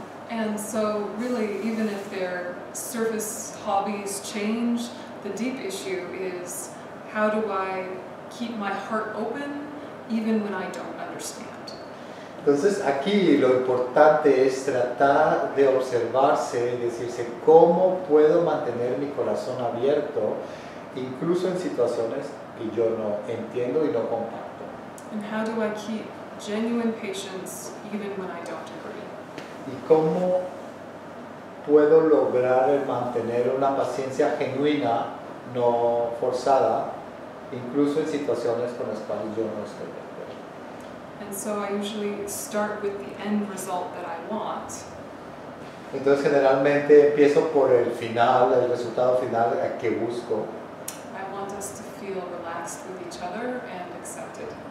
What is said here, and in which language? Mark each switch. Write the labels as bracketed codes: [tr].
[en] And so, really, even if their surface hobbies change, the deep issue is, how do I keep my heart open, even when I don't understand? [es] Entonces, aquí lo importante es tratar de observarse y decirse, ¿cómo puedo mantener mi corazón abierto, incluso en situaciones que yo no entiendo y no comparto? [en] And how do I keep genuine patience, even when I don't agree? [es] ¿Y cómo puedo lograr mantener una paciencia genuina, no forzada, incluso en situaciones con las cuales yo no estoy de acuerdo? [en] And so I usually start with the end result that I want. [es] Entonces generalmente empiezo por el final, el resultado final que busco. [en] I want us to feel relaxed with each other and accepted.